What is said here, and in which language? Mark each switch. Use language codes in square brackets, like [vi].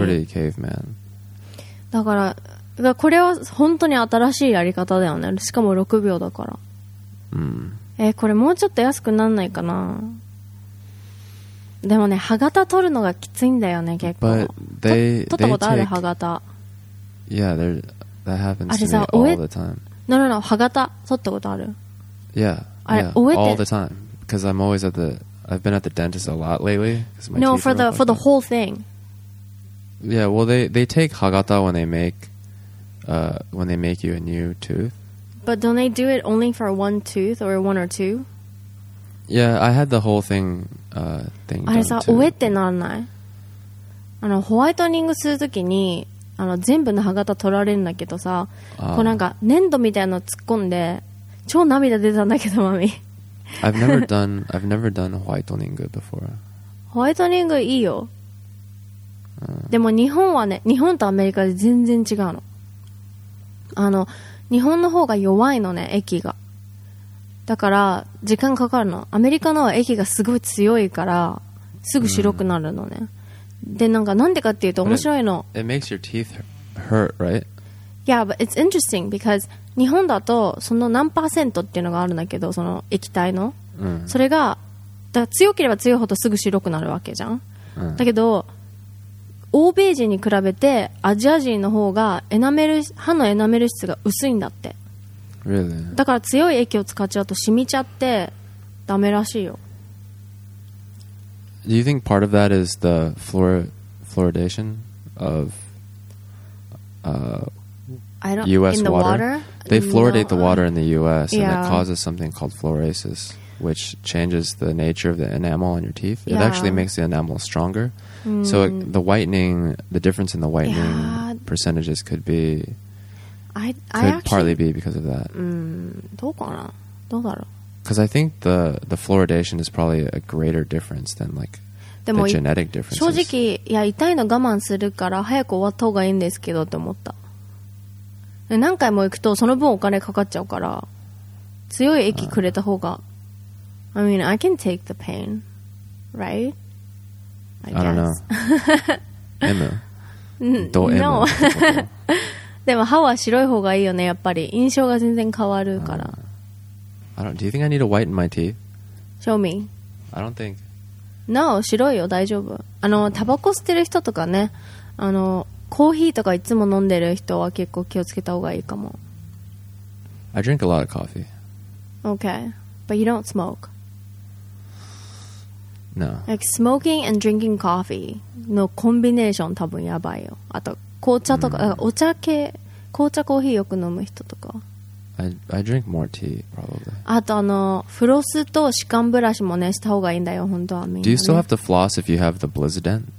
[en] It's pretty caveman. [ja] だから、だからこれは本当に新しいやり方だよね。しかも6秒だから。うん、これもうちょっと安くなんないかな。でもね、歯型取るのがきついんだよね、結構。 [en] They, [ja] 取ったことある歯型。 [en] Yeah, there, that happens to me all the time. No, no, no, [ja] 歯型取ったことある。 [en] Yeah, yeah, all the time. Because I'm always at the, I've been at the dentist a lot lately. No, for the whole thing. Yeah, well, they take 歯型 when they make you a new tooth. But don't they do it only for one tooth or one or two? Yeah, I had the whole thing, thing done too. [ja] あれさ、おえってなんない？あの、ホワイトニングするときに、あの、全部の歯型取られるんだけどさ、こうなんか粘土みたいなの突っ込んで、超涙出たんだけど、マミ。 [en] I've never done whitening before. [ja] ホワイトニングいいよ。でも日本はね、日本とアメリカで全然違うの。あの、日本の方が弱いのね、液が。だから時間かかるの。アメリカの液がすごい強いからすぐ白くなるのね、うん、でなんかなんでかっていうと面白いの。 [en] It makes your teeth hurt, right? Yeah, but it's interesting because [ja] 日本だとその何パーセントっていうのがあるんだけど、その液体の、うん、それがだ強ければ強いほどすぐ白くなるわけじゃん、うん、だけど欧米人に比べてアジア人の方がエナメル、歯のエナメル質が薄いんだって。 [en] Really? [ja] だから強い液を使っちゃうと染みちゃってダメらしいよ。 [en] Do you think part of that is the fluoridation of US in the water? They fluoridate the water in the US and it causes something called fluorasis, which changes the nature of the enamel on your teeth. It actually makes the enamel stronger. So the whitening, the difference in the whitening percentages could becould partly be because of that. [ja] どうかな、どうだろう。 [en] Because I think the fluoridation is probably a greater difference than like the genetic differences. [ja] 正直、いや痛いの我慢するから早く終わった方がいいんですけどって思った。で何回も行くとその分お金かかっちゃうから強い液くれた方が。 [en] I mean, I can take the pain, right? I don't know. Emma. Do Emma. No. [ja] でも歯は白い方がいいよね、やっぱり印象が全然変わるから。 [en] I don't. Do you think I need to whiten my teeth? Show me. I don't think. [ja] No, 白いよ、大丈夫。あのタバコ吸ってる人とかね、あのコーヒーとかいつも飲んでる人は結構気をつけた方がいいかも。 [en] I drink a lot of coffee. Okay, but you don't smoke. No. Like smoking and drinking coffee [ja] のコンビネーション多分やばいよ。あと紅茶とか、お茶系、紅茶コーヒーよく飲む人とか。 [en] I drink more tea, probably. [ja] あとあの、フロスと歯間ブラシもね、した方がいいんだよ、本当はみんな、ね。 [en] Do you still have to floss if you have the blizzard dent?